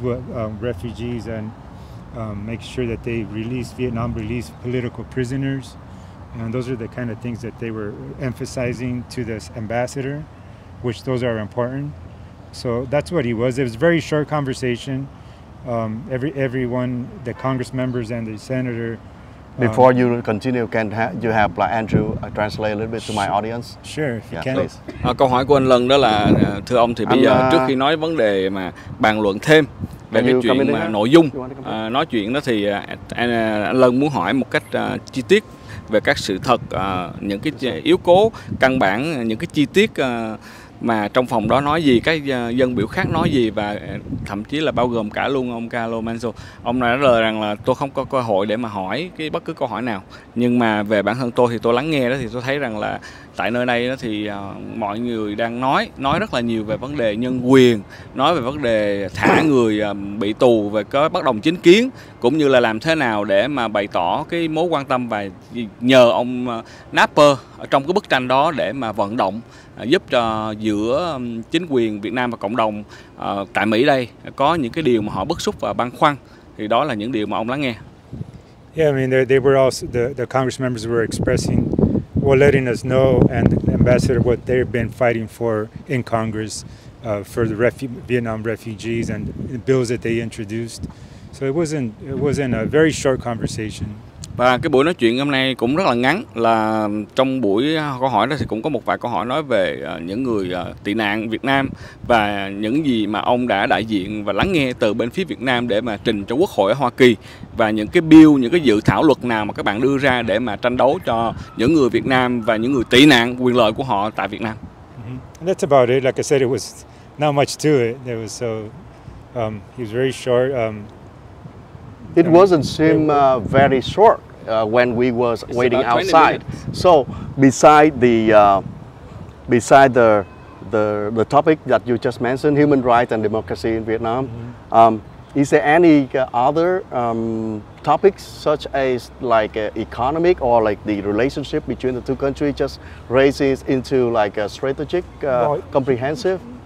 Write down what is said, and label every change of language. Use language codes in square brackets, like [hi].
[en] Refugees and make sure that they release political prisoners, and those are the kind of things that they were emphasizing to this ambassador, which those are important. So that's what he was. It was a very short conversation. Everyone, the Congress members and the senator. Before you continue, can you have like Andrew translate a little bit to my audience? Sure, if you can. Please. [vi] Câu hỏi của anh Lân đó là, thưa ông thì bây giờ trước khi nói vấn đề mà bàn luận thêm về cái chuyện mà nội dung nói chuyện đó thì anh Lân muốn hỏi một cách chi tiết về các sự thật, những cái yếu cố căn bản, những cái chi tiết mà trong phòng đó nói gì, các dân biểu khác nói gì, và thậm chí là bao gồm cả luôn ông Carlo Manzo. Ông đã lời rằng là tôi không có cơ hội để mà hỏi cái bất cứ câu hỏi nào, nhưng mà về bản thân tôi thì tôi lắng nghe đó, thì tôi thấy rằng là tại nơi đây đó thì mọi người đang nói rất là nhiều về vấn đề nhân quyền, nói về vấn đề thả người bị tù và có bất đồng chính kiến, cũng như là làm thế nào để mà bày tỏ cái mối quan tâm và nhờ ông Napper ở trong cái bức tranh đó để mà vận động giúp cho giữa chính quyền Việt Nam và cộng đồng tại Mỹ đây có những cái điều mà họ bức xúc và băn khoăn, thì đó là những điều mà ông lắng nghe. [en] Yeah, I mean they were also the Congress members were expressing, well, letting us know and Ambassador what they've been fighting for in Congress for the Vietnam refugees and the bills that they introduced. So it wasn't a very short conversation. [vi] Và cái buổi nói chuyện hôm nay cũng rất là ngắn, là trong buổi câu hỏi đó thì cũng có một vài câu hỏi nói về những người tị nạn Việt Nam và những gì mà ông đã đại diện và lắng nghe từ bên phía Việt Nam để mà trình cho Quốc hội ở Hoa Kỳ, và những cái bill, những cái dự thảo luật nào mà các bạn đưa ra để mà tranh đấu cho những người Việt Nam và những người tị nạn, quyền lợi của họ tại Việt Nam. [en] And that's about it. Like I said, it was not much to it. It was so, he was very short. It wasn't seem very short when we was waiting outside. So beside the topic that you just mentioned, human rights and democracy in Vietnam, is there any other topics such as like economic or like the relationship between the two countries just raises into like a strategic comprehensive?